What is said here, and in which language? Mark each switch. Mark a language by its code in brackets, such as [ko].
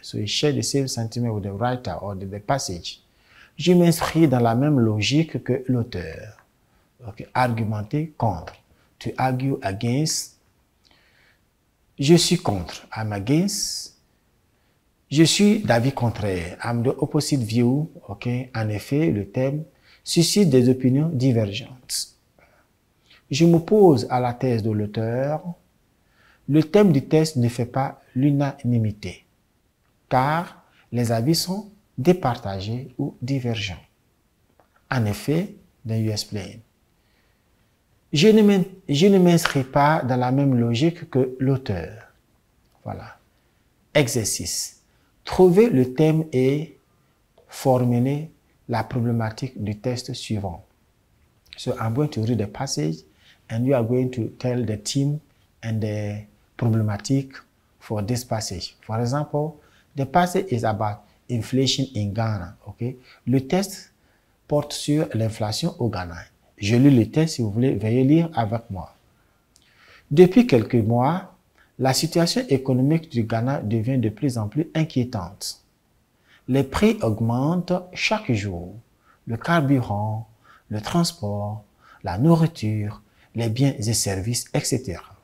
[en] So you share the same sentiment with the writer or the passage. [fr] Je m'inscris dans la même logique que l'auteur. OK? Argumenter contre. [en] To argue against. [fr] Je suis contre. [en] I'm against. [fr] Je suis d'avis contraire. [en] I'm the opposite view. [fr] OK? En effet, le thème suscite des opinions divergentes. Je m'oppose à la thèse de l'auteur. Le thème du test ne fait pas l'unanimité, car les avis sont départagés ou divergents. En effet, [en] then you explain. [fr] Je ne m'inscris pas dans la même logique que l'auteur. Voilà. Exercice. Trouvez le thème et formulez la problématique du test suivant. [en] So I'm going to read the passage and you are going to tell the theme and the problematic for this passage. For example, the passage is about inflation in Ghana. [fr] Okay? Le test porte sur l'inflation au Ghana. Je lis le test, si vous voulez, veuillez lire avec moi. Depuis quelques mois, la situation économique du Ghana devient de plus en plus inquiétante. Les prix augmentent chaque jour. Le carburant, le transport, la nourriture, les biens et services, etc.